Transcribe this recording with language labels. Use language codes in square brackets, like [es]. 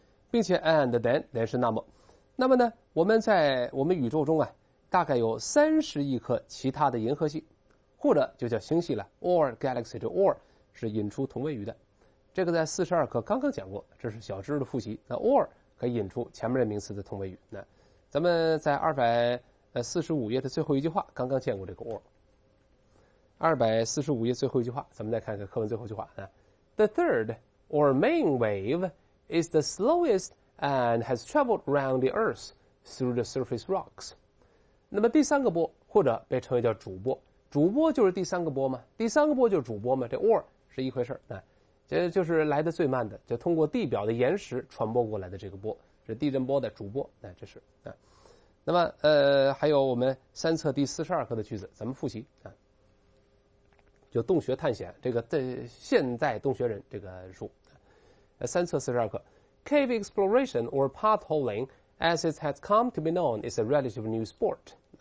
[zh] 并且 [en] and then [zh] 连是那么，那么呢，我们在我们宇宙中啊，大概有30亿颗其他的银河系，或者就叫星系了 ， [en] or galaxy， [zh] 这 or 是引出同位语的。这个在42课刚刚讲过，这是小知识的复习。那 or 可以引出前面的名词的同位语。那咱们在245页的最后一句话，刚刚见过这个 or。 245页最后一句话，咱们再看看课文最后一句话啊。 [en] The third or main wave is the slowest and has traveled around the Earth through the surface rocks。 [zh] 那么第三个波，或者被称为叫主波，主波就是第三个波嘛，第三个波就是主波嘛，这 or 是一回事啊，就是来的最慢的，就通过地表的岩石传播过来的这个波，是地震波的主波，这是啊。那么还有我们3册第42课的句子，咱们复习啊，就洞穴探险这个在现代洞穴人这个书，3册42课 ， [en] cave exploration or potholing as it has come to be known is a relatively new sport。